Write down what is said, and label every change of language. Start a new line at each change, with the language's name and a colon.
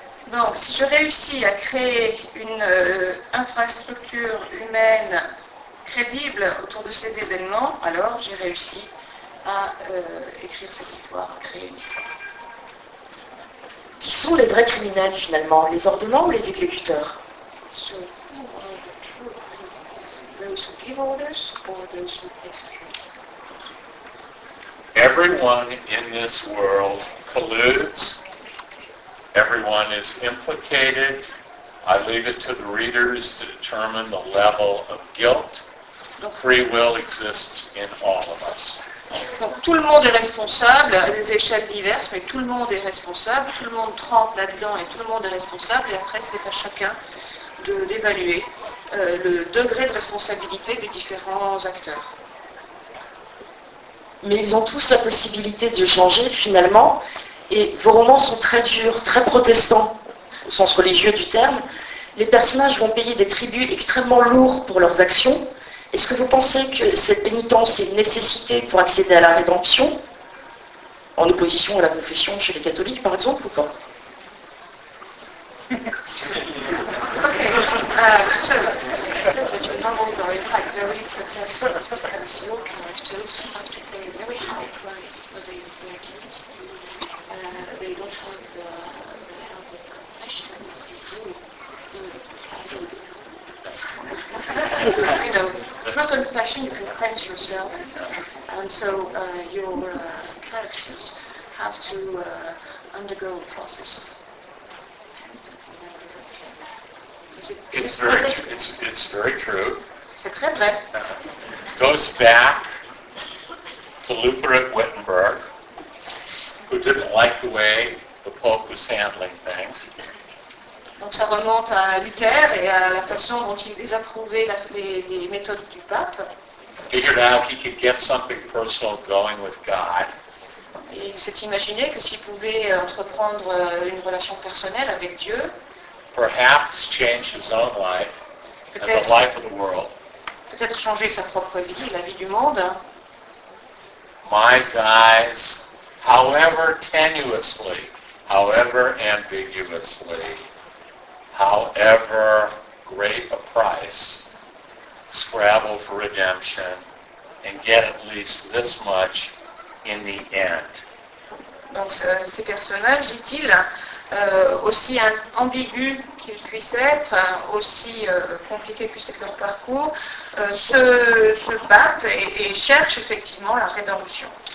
French: Donc, si je réussis à créer une infrastructure humaine crédible autour de ces événements, alors j'ai réussi à écrire cette histoire, à créer une histoire. Qui sont les vrais criminels finalement, les ordonnants ou les exécuteurs?
English: So who are the true criminals? Those who give orders or those who execute? Everyone in this world colludes. Everyone is implicated. I leave it to the readers to determine the level of guilt. Free will exists in all of us.
French: Donc tout le monde est responsable, à des échelles diverses, mais tout le monde est responsable, tout le monde trempe là-dedans et tout le monde est responsable, et après c'est à chacun d'évaluer le degré de responsabilité des différents acteurs. Mais ils ont tous la possibilité de changer finalement, et vos romans sont très durs, très protestants, au sens religieux du terme, les personnages vont payer des tributs extrêmement lourds pour leurs actions. Est-ce que vous pensez que cette pénitence est une nécessité pour accéder à la rédemption, en opposition à la confession chez les catholiques, par exemple, ou pas?
English: The novels are in fact very protestant because your characters have to pay a very high price for the inheritance. They don't have the help of confession that is true. Through confession you can cleanse yourself, and so your characters have to undergo a process of penitence. It's very true.
French: C'est très vrai.
English: Goes back to Luther at Wittenberg, who didn't like the way the Pope was handling things.
French: Donc ça remonte à Luther et à la façon dont il désapprouvait les méthodes du pape.
English: Figured out he could get something personal going with God.
French: Et il s'est imaginé que s'il pouvait entreprendre une relation personnelle avec Dieu.
English: Perhaps change his own life and the life of the world.
French: Peut-être changer sa propre vie, la vie du monde.
English: My guys, however tenuously, however ambiguously, however great a price, scrabble for redemption and get at least this much in the end.
French: Donc ces personnages, dit-il, aussi ambigu qu'ils puissent être, aussi compliqué puisse être leur parcours, se battent et cherchent effectivement la rédemption.